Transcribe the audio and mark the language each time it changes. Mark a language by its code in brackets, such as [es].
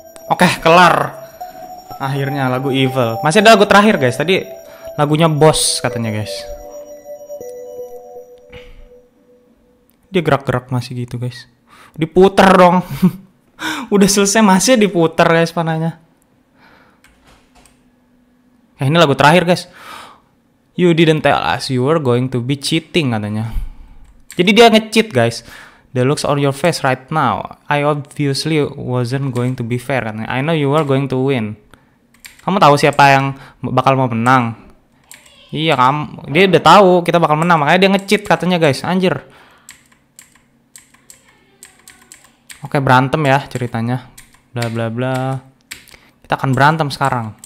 [id] Oke, kelar. Akhirnya lagu Evil. Masih ada lagu terakhir guys, tadi lagunya Boss katanya guys. Dia gerak-gerak masih gitu guys. Diputer dong. Udah selesai masih diputer guys panahnya. Eh, ini lagu terakhir guys. [en] You didn't tell us you were going to be cheating [id] katanya. Jadi dia nge-cheat guys. [en] The looks on your face right now, I obviously wasn't going to be fair [id] katanya. [en] I know you are going to win. [id] Kamu tahu siapa yang bakal mau menang? Iya kamu. Dia udah tahu kita bakal menang, makanya dia nge-cheat katanya guys. Anjir. Oke, berantem ya ceritanya. Bla bla bla. Kita akan berantem sekarang.